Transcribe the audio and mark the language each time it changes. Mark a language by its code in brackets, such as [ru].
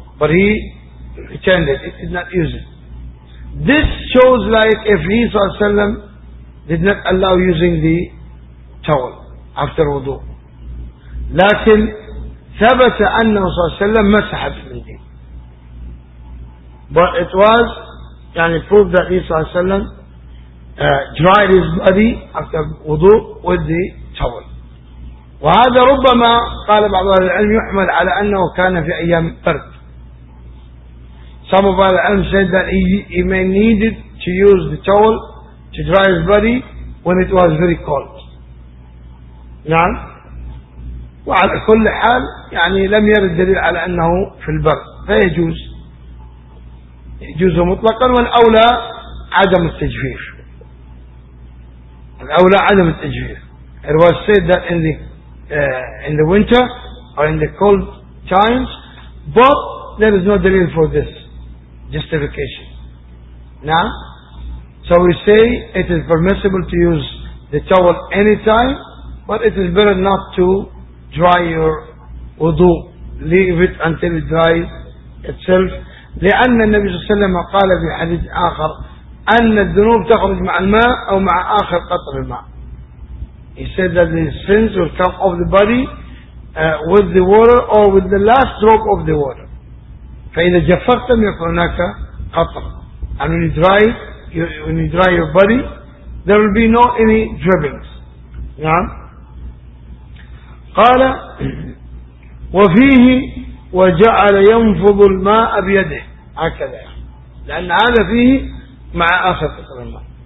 [en] But he pretended, he did not use it. This shows like if he [ar] sallallahu alayhi wa sallam [en] did not allow using the towel after wudu. [ar] لكن ثبت أنه صلى الله عليه وسلم مسح المنديل. [en] But it was يعني proved that he [ar] صلى الله عليه وسلم [en] dried his body after wudu with the towel. [ar] وهذا ربما قال بعض أهل العلم يحمل على أنه كان في أيام برد. [en] Some of Al Alam said that he may needed to use the towel to dry his body when it was very cold. [ar] نعم. وعلى كل حال يعني لم يرد دليل على أنه في البرد فيجوز يجوز مطلقا والأولى عدم التجفيف الأولى عدم التجفيف. [en] It was said that in the winter or in the cold times, but there is no دليل for this justification. Now, so we say it is permissible to use the towel anytime, but it is better not to dry your wudu. Leave it until it dries itself. [ar] لأن النبي صلى الله عليه وسلم قال في حديث آخر أن الذنوب تخرج مع الماء أو مع آخر قطر الماء. [en] He said that the sins will come off the body with the water or with the last drop of the water. [ar] فإذا جفقت يكون هناك قطر. [en] And when you dry your body, there will be no any drippings. [ar] نعم. قال وفيه وجعل ينفض الماء بيده هكذا لأن هذا فيه مع آخر قطر الماء.